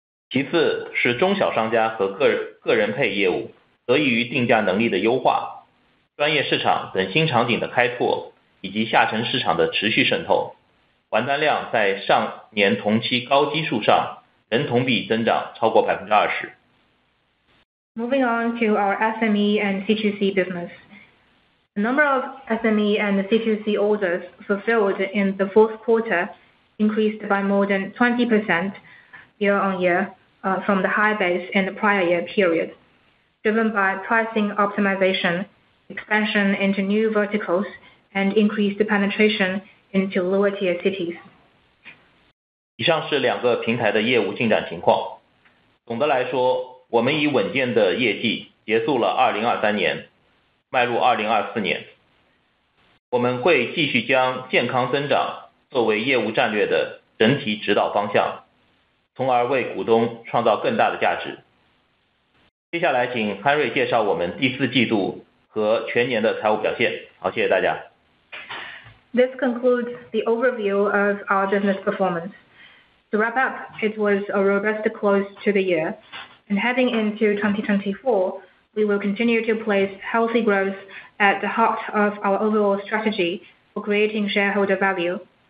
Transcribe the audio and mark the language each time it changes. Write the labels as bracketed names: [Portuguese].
[Chinese] 其次是中小商家和 个人配业务得益于定价能力的优化。专业市场等新场景的开拓以及下沉市场的持续渗透，完单量在上年同期高基数上仍同比增长超过 20%。 [English] Moving on to our SME and C2C business. The number of SME and C2C orders fulfilled in the fourth quarter increased by more than 20% year on year from the high base in the prior year period, driven by pricing optimization, expansion into new verticals, and increased penetration into lower tier cities. [Chinese] 以上是两个平台的业务进展情况。总的来说，我们以稳健的业绩结束了2023年，迈入2024年。我们会继续将健康增长作为业务战略的整体指导方向，从而为股东创造更大的价值。接下来请 Henry 介绍我们第四季度和全年的财务表现。好，谢谢大家。 [English] This concludes the overview of our business performance. To wrap up, it was a robust close to the year. And heading into 2024, we will continue to place healthy growth at the heart of our overall strategy for creating shareholder value.